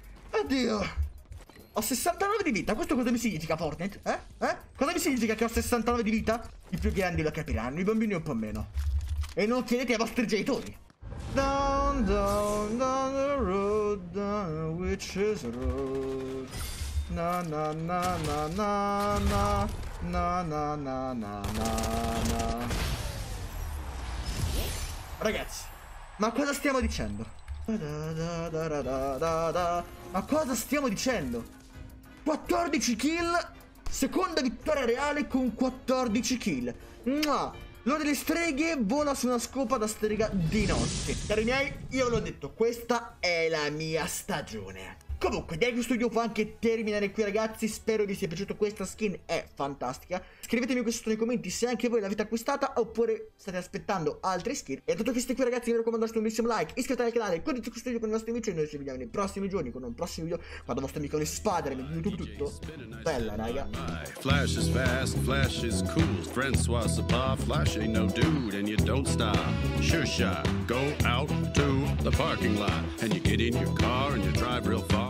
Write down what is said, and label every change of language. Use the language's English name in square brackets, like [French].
[Italian] Oddio. Ho 69 di vita. Questo cosa mi significa, Fortnite? Eh? Eh? Cosa mi significa che ho 69 di vita? I più grandi lo capiranno, i bambini un po' meno. E non chiedete ai vostri genitori. [English] Down, down, down the road, down the witch's road. Na na na na na na na na na na na na. [Italian] Ragazzi, ma cosa stiamo dicendo? Ma cosa stiamo dicendo? 14 kill, seconda vittoria reale con 14 kill. Mua. L'ora delle streghe vola su una scopa da strega di notte. Cari miei, io l'ho detto, questa è la mia stagione. Comunque, direi che questo video può anche terminare qui, ragazzi. Spero vi sia piaciuto, questa skin è fantastica. Scrivetemi qui sotto nei commenti se anche voi l'avete acquistata oppure state aspettando altre skin. E tutto che siete qui, ragazzi, mi raccomando, lasciate un bellissimo like, iscrivetevi al canale, condividete questo video con i vostri amici. E noi ci vediamo nei prossimi giorni con un prossimo video. Quando vostro amico le spadre, mi YouTube tutto. Bella, raga. [English] Flash is fast, flash is cool. Francois Sapar, flash ain't no dude. And you don't stop. Shusha, go out to the parking lot. And you get in your car and you drive real far.